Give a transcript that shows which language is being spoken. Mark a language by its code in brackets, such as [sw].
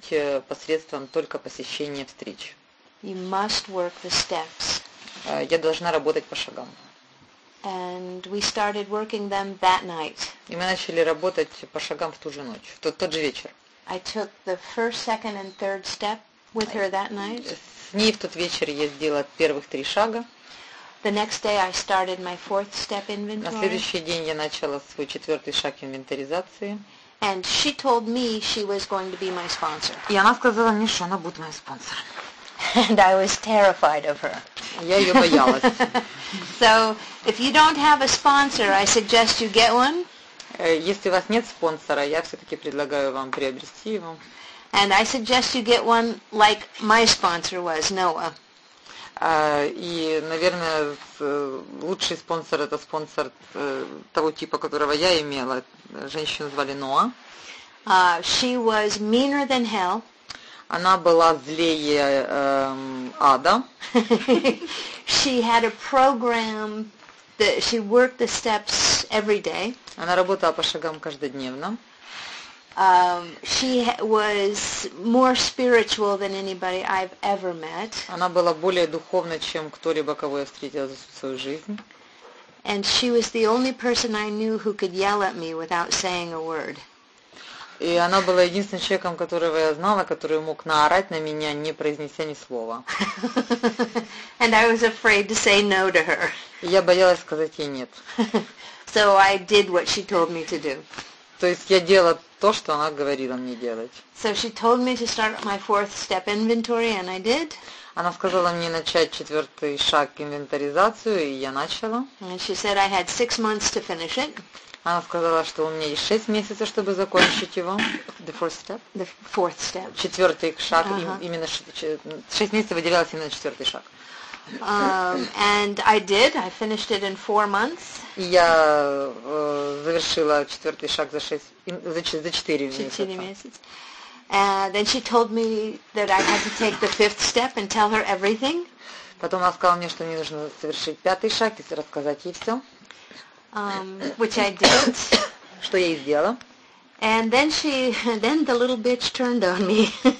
[ru] посредством только посещения встреч. [en] You must work the steps. [ru] Я должна работать по шагам. [en] And we started working them that night. [ru] И мы начали работать по шагам в ту же ночь, в тот же вечер. [en] I took the first, second, and third step with her that night. [ru] С ней в тот вечер я сделала первых три шага. [en] The next day I started my fourth step inventory. [ru] На следующий день я начала свой четвертый шаг инвентаризации. [en] And she told me she was going to be my sponsor. [ru] И она сказала мне, что она будет моим спонсором. [en] And I was terrified of her. [ru] Я ее боялась. [en] So, if you don't have a sponsor, I suggest you get one. [ru] Если у вас нет спонсора, я все-таки предлагаю вам приобрести его. [en] And I suggest you get one like my sponsor was, Noah. [ru] И, наверное, лучший спонсор – это спонсор того типа, которого я имела. Женщину звали Ноа. [en] She was meaner than hell. [ru] Она была злее ада. [en] She had a program that she worked the steps every day. [ru] Она работала по шагам каждодневно. [en] She was more spiritual than anybody I've ever met. [ru] Она была более духовна, чем кто-либо, кого я встретила за свою жизнь. [en] And she was the only person I knew who could yell at me without saying a word. [ru] И она была единственным человеком, которого я знала, который мог наорать на меня, не произнеся ни слова. [en] And I was afraid to say no to her. [ru] Я боялась сказать ей нет. [en] So I did what she told me to do. [ru] То есть я делала то, что она говорила мне делать. [en] So she told me to start my fourth step inventory, and I did. [ru] Она сказала мне начать четвертый шаг инвентаризацию, и я начала. [en] And she said I had 6 months to finish it. [ru] Она сказала, что у меня есть 6 месяцев, чтобы закончить его. [en] The fourth step. The fourth step. [ru] Четвертый шаг. [en] Uh-huh. [ru] Именно 6 месяцев выделялось именно четвертый шаг. [en] And I did. I finished it in 4 months. [ru] Я завершила четвертый шаг за 4 месяца. [en] Then she told me that I had to take the fifth step and tell her everything. [ru] Потом она сказала мне, что мне нужно совершить пятый шаг и рассказать ей все. [en] Which I did. [ru] Что я и сделала. [en] And then the little bitch turned on me.